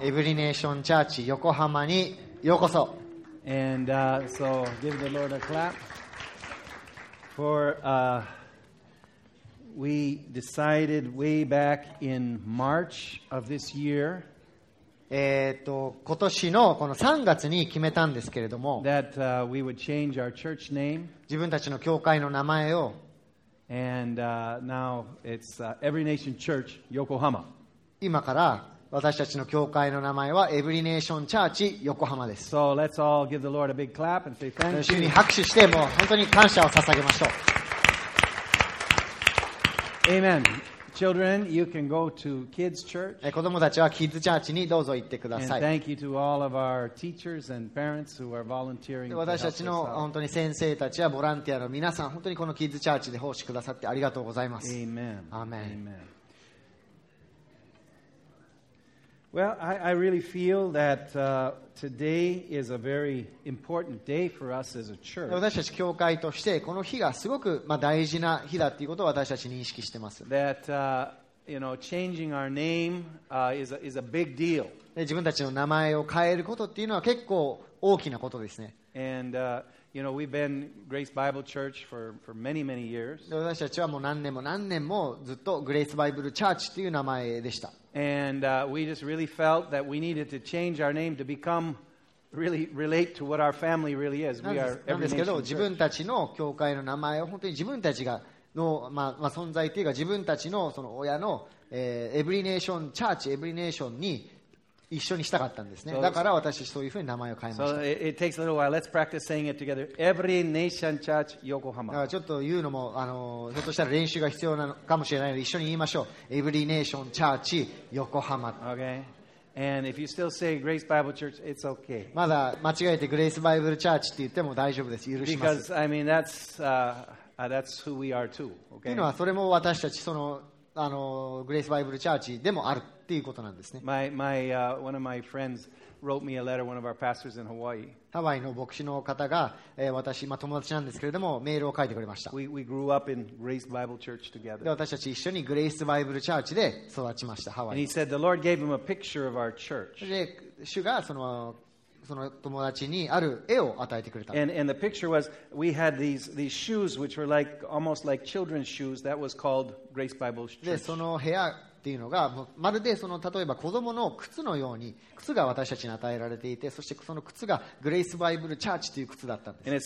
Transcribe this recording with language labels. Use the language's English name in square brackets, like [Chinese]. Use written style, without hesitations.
[Japanese] Every Nation Church Yokohama にようこそ。 [English] And so give the Lord a clap for we decided way back in March of this year. [Japanese] 今年のこの3月に決めたんですけれども。 [English] That we would change our church name. [Japanese] 自分たちの教会の名前を。 [English] And now it's Every Nation Church Yokohama. [Japanese] 今から私たちの教会の名前は Every Nation Church Yokohama です。 [English] So let's all give the Lord a big clap and say thank you. [Japanese] 主に拍手してもう本当に感謝を捧げましょう。 [English] Amen. Children, you can go to Kids Church. [Japanese] 子供たちは Kids Church にどうぞ行ってください。 [English] And thank you to all of our teachers and parents who are volunteering. [Japanese] 私たちの本当に先生たちやボランティアの皆さん、本当にこの Kids Church で奉仕くださってありがとうございます。 [English] Amen. Amen. Amen. Well, I really feel that today is a very important day for us as a church. [Japanese] 私たち教会としてこの日がすごく大事な日だということを私たち認識してます。 [English] That you know, changing our name is a big deal. [Japanese] 自分たちの名前を変えることっていうのは結構大きなことですね。 [English] And you know, we've been Grace Bible Church for many, many years. [Japanese] 私たちはもう何年も何年もずっと Grace Bible Church っていう名前でした。 [English] And we just really felt that we needed to change our name to become really relate to what our family really is. We are Every Nation Church. [Japanese] 自分たちの教会の名前を本当に自分たちがの、まあ、存在というか自分たちのその親の、Every Nation Church, Every Nation に一緒にしたかったんですね。だから私そういうふうに名前を変えました。 [English] So it takes a little while. Let's practice saying it together. Every Nation Church Yokohama. [Japanese] だからちょっと言うのもひょっとしたら練習が必要なのかもしれないので一緒に言いましょう。 [English] Every Nation Church Yokohama. Okay. And if you still say Grace Bible Church, it's okay. [Japanese] まだ間違えて Grace Bible Church って言っても大丈夫です。許します。 [English] Because I mean that's who we are too. Okay. [Japanese] というのはそれも私たちそのGrace Bible Church でもある。っていうことなんですね。 [English] one of my friends wrote me a letter, one of our pastors in Hawaii. [Japanese] ハワイの牧師の方が、私、まあ、友達なんですけれども、メールを書いてくれました。 [English] We grew up in Grace Bible Church together. [Japanese] で、私たち一緒に Grace Bible Church で育ちました、ハワイ。 [English] And he said the Lord gave him a picture of our church. [Japanese] で、主がその友達にある絵を与えてくれた。 [English] And the picture was we had these shoes which were like almost like children's shoes. That was called Grace Bible Church. [Japanese] で、その部屋っていうのがまるでその例えば子供の靴のように靴が私たちに与えられていてそしてその靴がグレイスバイブルチャーチという靴だったんです。